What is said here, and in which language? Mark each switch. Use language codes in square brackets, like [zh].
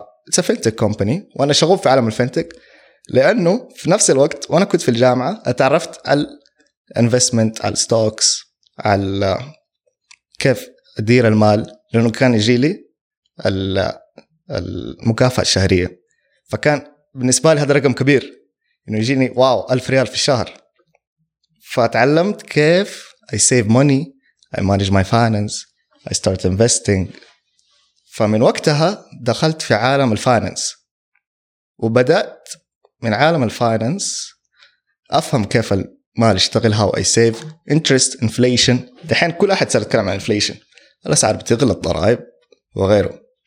[en] It's a fintech company، [ar] وأنا شغوف في عالم الفنتك لأنه في نفس الوقت وأنا كنت في الجامعة أتعرفت على الانفستمنت، على الستوكس، على كيف أدير المال، لأنه كان يجي لي المكافأة الشهرية، فكان بالنسبة لي هذا رقم كبير إنه يجيني واو 1000 ريال في الشهر. فتعلمت كيف [en] I save money، I manage my finance، I start investing. [ar] فمن وقتها دخلت في عالم الفاينانس وبدأت من عالم الفاينانس أفهم كيف المال يشتغل، [en] how I save interest inflation. [ar] دحين كل أحد صار يتكلم عن inflation، الأسعار بتغلى، الضرائب وغيره.